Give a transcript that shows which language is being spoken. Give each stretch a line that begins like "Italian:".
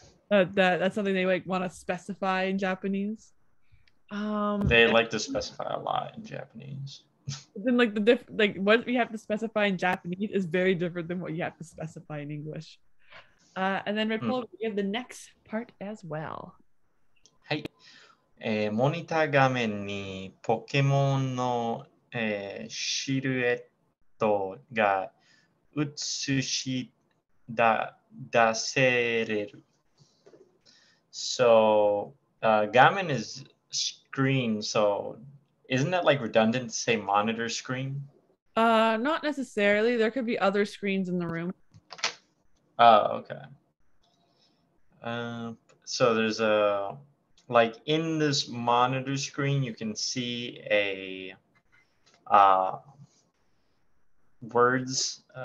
English: that's something they like want to specify in Japanese. They like to specify a lot in Japanese. Then like the diff like what we have to specify in Japanese is very different than what you have to specify in English. And then Red Polar, we have the next part as well.
Japanese: はい。モニター画面にポケモンの、シルエットが映しだ出せれる。
English: So, gamen is screen. So, isn't that like redundant to say monitor screen? Not necessarily. There could be other screens in the room. Oh, okay. So there's a like in this monitor screen, you can see a words.